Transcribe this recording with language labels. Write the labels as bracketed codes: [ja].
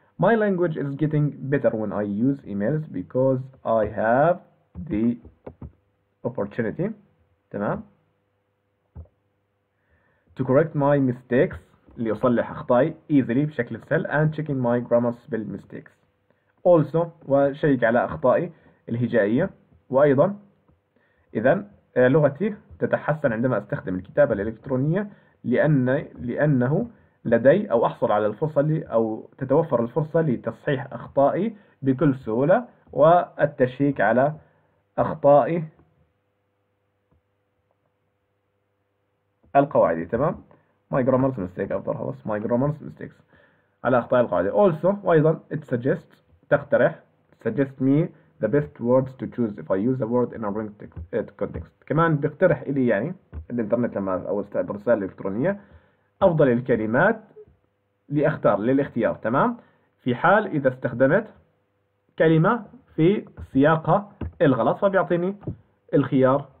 [en] My language is getting better when I use emails because I have the opportunity، تمام، to correct my mistakes، [ar] لأصلح أخطائي [en] easily [ar] بشكل سهل، [en] and checking my grammar spell mistakes also، [ar] وشيك على أخطائي الهجائية. وأيضا إذا لغتي تتحسن عندما أستخدم الكتابة الإلكترونية، لأنه لدي أو أحصل على الفرصة أو تتوفر الفرصة لتصحيح أخطائي بكل سهولة، والتشيك على أخطائي القواعد، تمام. [en] My grammar's mistake أفضل خلاص، my grammar's mistakes، [ar] على أخطاء القواعد. [en] Also [ar] وأيضا [en] it suggests، [ar] تقترح، [en] suggest me the best words to choose if I use a word in a ring context، [ar] كمان بيقترح إلي يعني الإنترنت لما أو الرسالة الإلكترونية أفضل الكلمات لأختار للاختيار، تمام، في حال إذا استخدمت كلمة في سياقها الغلط، فبيعطيني الخيار